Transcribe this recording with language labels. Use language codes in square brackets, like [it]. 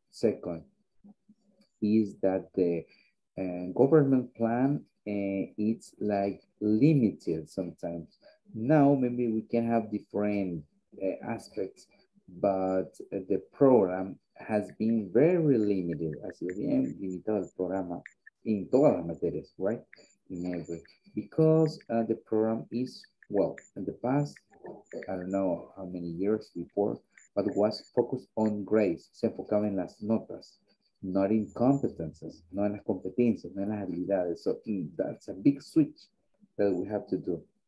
[en] Second is that the government plan, it's like limited sometimes. Now maybe we can have different aspects, but the program has been very limited. [es] Así bien, limitado el programa en todas las materias, right? [en] In every, because the program is, well, in the past, I don't know how many years before, but was focused on grades. [es] Se enfocaba en las notas, [en] not in competences, [es] no en las competencias, no en las habilidades. [en] So that's a big switch that we have to do.